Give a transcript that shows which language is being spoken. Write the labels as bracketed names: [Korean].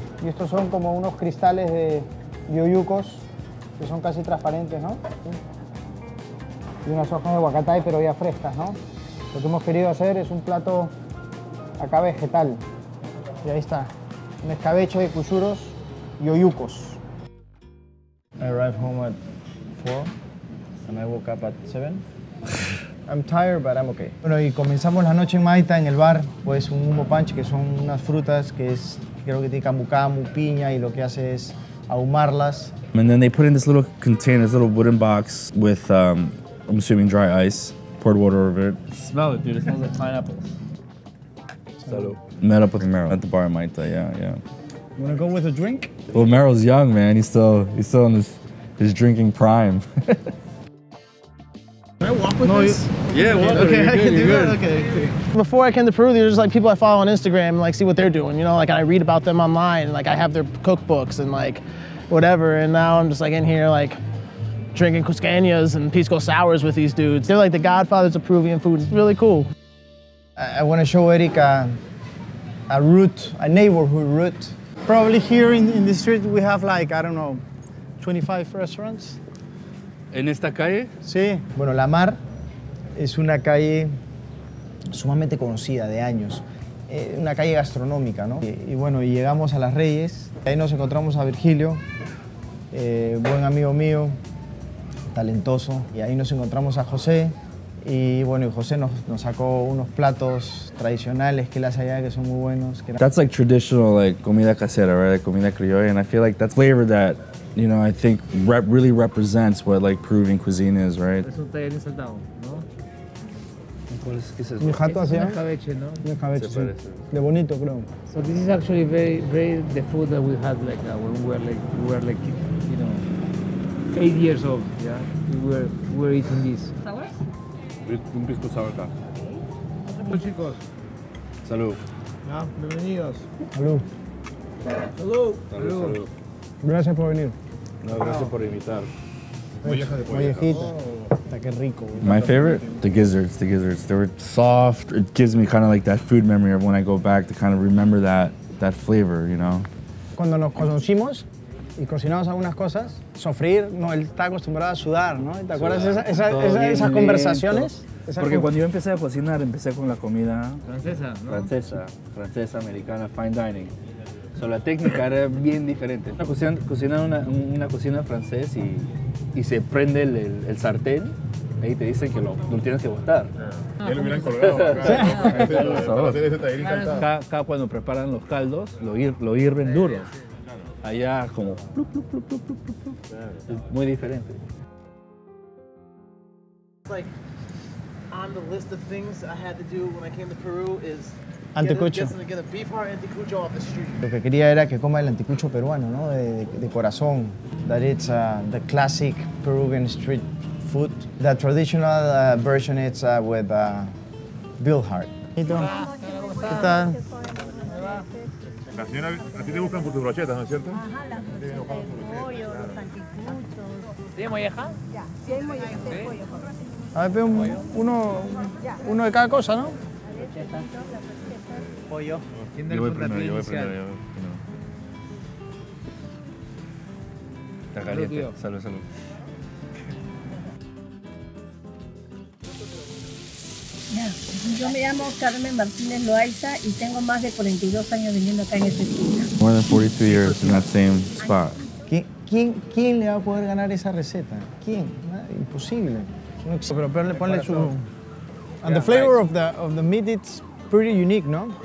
[Spanish] Y estos son como unos cristales de oyucos, que son casi transparentes, ¿no? Y unas hojas de huacatay, pero ya frescas, ¿no? Lo que hemos querido hacer es un plato acá vegetal. Y ahí está, un escabeche de cuchuros y oyucos. [English] I arrived home at 4 and I woke up at 7. I'm tired, but I'm okay. [Spanish] Bueno, y comenzamos la noche en Maita, en el bar, pues un humo punch, que son unas frutas que es, creo que tiene camu camu, piña, y lo que hace es ahumarlas. [English] And then they put in this little container, this little wooden box with, I'm assuming, dry ice. Poured water over it. Smell it, dude. It smells like pineapples. [Spanish] Salud. [English] Met up with Meryl at the bar in Maita, yeah. You wanna go with a drink? Well, Meryl's young, man. He's still in his drinking prime. Can I walk with this? Yeah, walk. Okay, you're good, I can you're do good. That. Okay. Okay. Before I came to Peru, there's just like people I follow on Instagram and like see what they're doing, you know, like I read about them online, and, like I have their cookbooks and like whatever, and now I'm just like in here like drinking cuscanas and pisco sours with these dudes. They're like the godfathers of Peruvian food. It's really cool. I wanna show Eric a neighborhood route. Probably here in the street we have like, I don't know, 25 restaurants. [Spanish] ¿En esta calle? Sí. Bueno, La Mar es una calle sumamente conocida de años. Una calle gastronómica, ¿no? Y bueno, y llegamos a Las Reyes. Ahí nos encontramos a Virgilio, buen amigo mío, talentoso. Y ahí nos encontramos a José. Y bueno, José nos sacó unos platos tradicionales que él hace allá, que son muy buenos. [English] That's like traditional, like [Spanish] comida casera, [English] right? Like [Spanish] comida criolla. [English] And I feel like that's flavor that, you know, I think really represents what like Peruvian cuisine is, right? [Spanish] Es un tallarín saltado, ¿no? Mi jato hacía. Un escabeche, ¿no? Un escabeche, sí. De bonito, creo. [English] So this is actually very the food that we had like when we were like, you know, 8 years old, yeah? We were eating this. [Spanish] Un pisco sour acá. Hola, chicos. Salud. Ya, bienvenidos. Salud. Salud. Gracias por venir. No, gracias por invitar. Mollejita. Está que rico. [English] My favorite? The gizzards. They were soft. It gives me kind of like that food memory of when I go back to kind of remember that flavor, you know? [Spanish] Cuando nos conocimos y cocinamos algunas cosas, sofreír, no, él está acostumbrado a sudar, ¿no? ¿Te acuerdas de esas conversaciones? Porque cuando yo empecé a cocinar, empecé con la comida francesa, ¿no? Francesa, americana, fine dining. So, la técnica era bien diferente. Cocinan una cocina francés y se prende el sartén. Ahí te dicen que lo tienes que botar. Ya lo hubieran colgado. Acá cuando preparan los caldos, lo hirven duro. Allá como... Plup, plup, plup, plup, plup, plup. Muy diferente. [English] On the list of things I had to do when I came to Peru is anticucho. Get a beef heart anticucho off the street. [Spanish] Lo que quería era que coma el anticucho peruano, ¿no? De corazón. [English] That it's the classic Peruvian street food. The traditional version is with bill heart. [Spanish] ¿Qué tal? ¿Cómo estás? ¿Qué tal? La señora, a ti te buscan por tus brochetas, ¿no es cierto? Ajá, las brochetas, el pollo, los anticuchos. ¿Tiene molleja? Ya, sí hay molleja, pollo. A ver, uno de cada cosa, ¿no? Pollo. Yo voy primero, yo voy primero. Está caliente. Salud, salud. Yo me llamo Carmen Martínez Loaiza y tengo más de 42 años viviendo acá en esta esquina. [English] More than 42 years in that same spot. [Spanish] ¿Quién le va a poder ganar esa receta? ¿Quién? Imposible. Pero ponle su... [English] And the flavor of the meat, it's pretty unique, no?